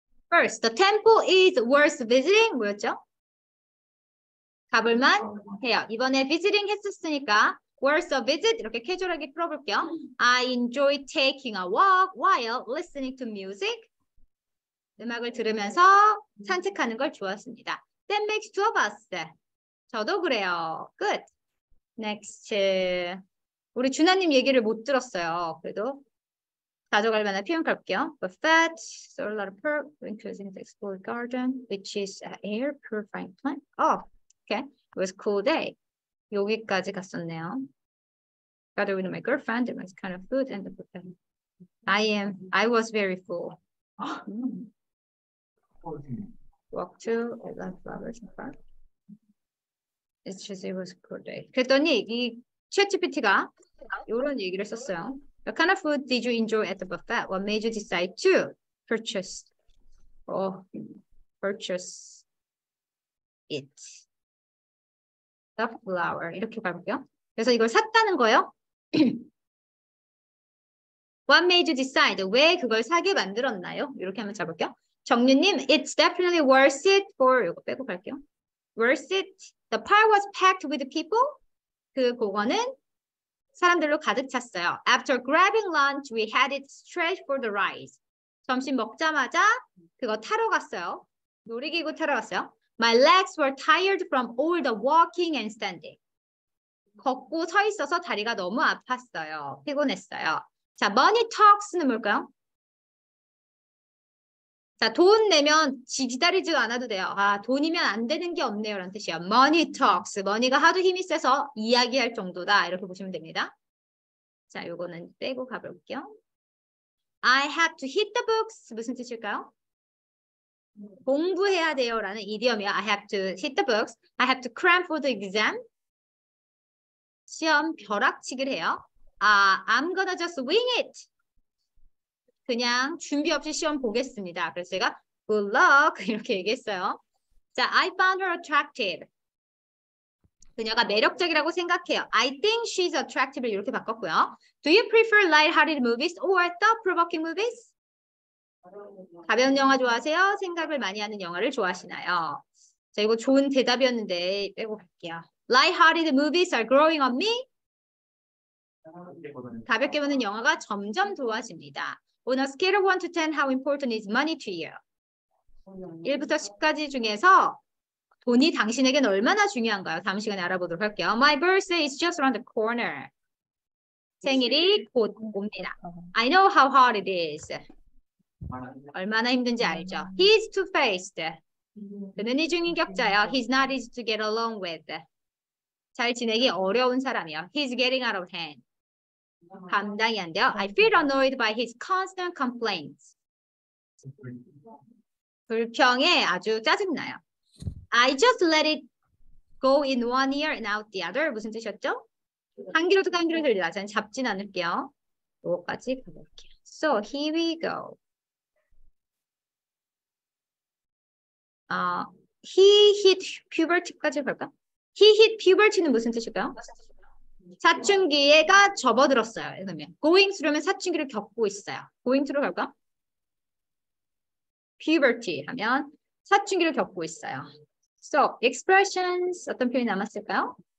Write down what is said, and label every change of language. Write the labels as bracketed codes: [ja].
[en] First, the temple is worth visiting. [ko] 뭐였죠? 가볼만 해요. 이번에 visiting 했었으니까 [en] worth a visit [ko] 이렇게 캐주얼하게 풀어볼게요. [en] I enjoy taking a walk while listening to music. [ko] 음악을 들으면서 산책하는 걸 좋았습니다. [en] That makes two of us. [ko] 저도 그래요. [en] Good. Next. [ko] 우리 준하님 얘기를 못 들었어요. 그래도 가져갈 만한 표현 갈게요. [en] Buffet, solar park, winter season explore garden, which is an air purifying plant. Oh, okay. It was a cool day. [ko] 여기까지 갔었네요. [en] Gather with my girlfriend, it was kind of food and the buffet. I was very full. Walk to, I love flowers and park. It's just, it was a cool day. [ko] 그랬더니 이 ChatGPT가 이런 얘기를 썼어요. [en] What kind of food did you enjoy at the buffet? What made you decide to purchase? Oh, purchase it. The flower. [ko] 이렇게 가볼게요. 그래서 이걸 샀다는 거예요. [en] What made you decide? [ko] 왜 그걸 사게 만들었나요? 이렇게 한번 잡을게요. [en] 정유님, it's definitely worth it for, [ko] 이거 빼고 갈게요. [en] Worth it. The park was packed with people. [ko] 그 공원은 사람들로 가득 찼어요. [en] After grabbing lunch, we headed straight for the rides. [ko] 점심 먹자마자 그거 타러 갔어요. 놀이기구 타러 갔어요. [en] My legs were tired from all the walking and standing. [ko] 걷고 서 있어서 다리가 너무 아팠어요. 피곤했어요. 자, money talks는 뭘까요? 자, 돈 내면 지지다리지 않아도 돼요. 아, 돈이면 안 되는 게 없네요. 라는 뜻이에요. Money talks. 머니가 하도 힘이 세서 이야기할 정도다. 이렇게 보시면 됩니다. 자, 요거는 빼고 가볼게요. [en] I have to hit the books. [ko] 무슨 뜻일까요? 공부해야 돼요. 라는 이디엄이요. [en] I have to hit the books. I have to cram for the exam. [ko] 시험 벼락치기를 해요. [en] I'm gonna just wing it. [ko] 그냥 준비 없이 시험 보겠습니다. 그래서 제가 good luck 이렇게 얘기했어요. [en] 자, I found her attractive. [ko] 그녀가 매력적이라고 생각해요. [en] I think she's attractive [ko] 이렇게 바꿨고요. [en] Do you prefer light-hearted movies or thought-provoking movies? [ko] 가벼운 영화 좋아하세요? 생각을 많이 하는 영화를 좋아하시나요? 자, 이거 좋은 대답이었는데 빼고 갈게요. [en] Light-hearted movies are growing on me. [ko] 가볍게 보는 영화가 점점 좋아집니다. [en] On a scale of 1 to 10, how important is money to you? [ko] 1부터 10까지 중에서 돈이 당신에게는 얼마나 중요한가요? 다음 시간에 알아보도록 할게요. [en] My birthday is just around the corner. [ko] 생일이 곧 옵니다. [en] I know how hard it is. [ko] 얼마나 힘든지 알죠? [en] He is two-faced. [ko] 그는 이중인격자예요. [en] He's not easy to get along with. [ko] 잘 지내기 어려운 사람이요. [en] He's getting out of hand. [ko] 감당이 안 돼요. [en] I feel annoyed by his constant complaints. [ko] 불평에 아주 짜증나요. [en] I just let it go in one ear and out the other. [ko] 무슨 뜻이었죠? 한 귀로도 한 귀로 들리나? 저는 잡진 않을게요. 이것까지 가볼게요. [en] So here we go. He hit puberty까지 [ko] 볼까? [en] He hit puberty [ko] 는 무슨 뜻일까요? 사춘기에가 접어들었어요. 그러면 going through면 사춘기를 겪고 있어요. going through로 갈까? puberty 하면 사춘기를 겪고 있어요. So expressions 어떤 표현이 남았을까요?